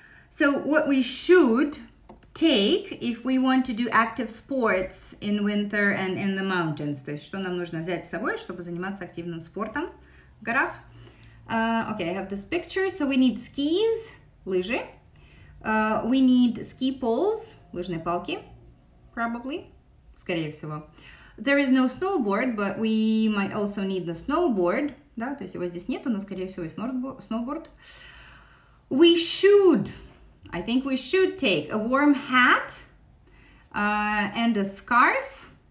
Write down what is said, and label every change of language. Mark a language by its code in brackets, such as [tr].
[en] So what we should take if we want to do active sports in winter and in the mountains. [ru] То есть, что нам нужно взять с собой, чтобы заниматься активным спортом в горах? [en] Okay, I have this picture. So we need skis, [ru] лыжи. [en] We need ski poles, [ru] лыжные палки, [en] probably. [ru] скорее всего. [en] There is no snowboard, but we might also need the snowboard. [ru] Да, то есть его здесь нет, но, скорее всего, есть snowboard. [en] We should. I think we should take a warm hat and a scarf.